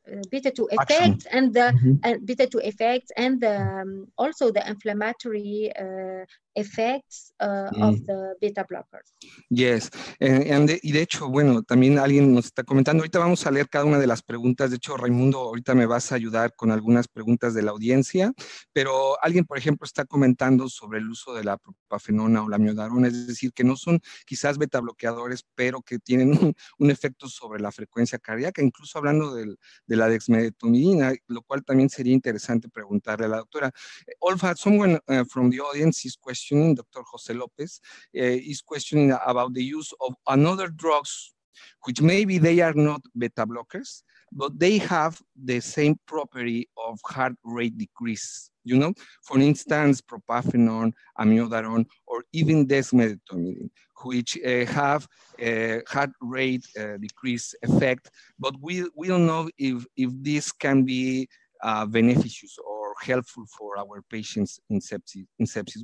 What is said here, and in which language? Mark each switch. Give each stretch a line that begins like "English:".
English: Beta two effects and the beta two effects and the also the inflammatory effects of the beta blockers.
Spanish: Yes, y de hecho, bueno, también alguien nos está comentando. Ahorita vamos a leer cada una de las preguntas. De hecho, Raimundo, ahorita me vas a ayudar con algunas preguntas de la audiencia. Pero alguien, por ejemplo, está comentando sobre el uso de la propafenona o la amiodarona, es decir, que no son quizás beta bloqueadores, pero que tienen un efecto sobre la frecuencia cardíaca. Incluso hablando del de la dexmedetomidina, lo cual también sería interesante preguntarle a la doctora.
English: Olfa, someone from the audience is questioning, Dr. José López, is questioning about the use of another drugs, which maybe they are not beta blockers, but they have the same property of heart rate decrease. You know, for instance, propafenone, amiodarone, or even dexmedetomidine, which have a heart rate decrease effect, but we don't know if this can be beneficial or helpful for our patients in sepsis.